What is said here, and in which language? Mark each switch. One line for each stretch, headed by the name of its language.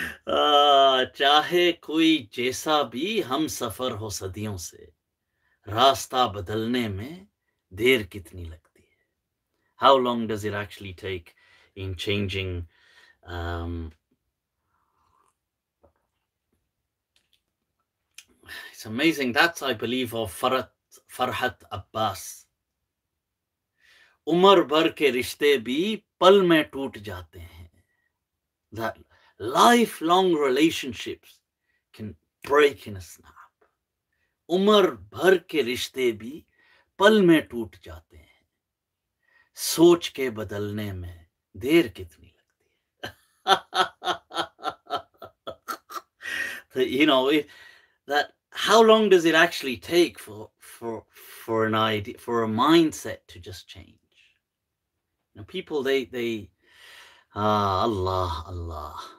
Hindi: चाहे कोई जैसा भी हम सफर हो सदियों से, रास्ता बदलने में देर कितनी लगती है?
English: How long does it actually take in changing it's amazing. That's, I believe, of Farhat Abbas.
Hindi: उम्र भर के रिश्ते भी पल में टूट जाते हैं.
English: That lifelong relationships can break in a snap.
Hindi: उम्र भर के रिश्ते भी पल में टूट जाते हैं, सोच के बदलने में देर कितनी लगती है.
English: You know, that how long does it actually take for an idea, for a mindset to just change? Now people, they Allah, Allah.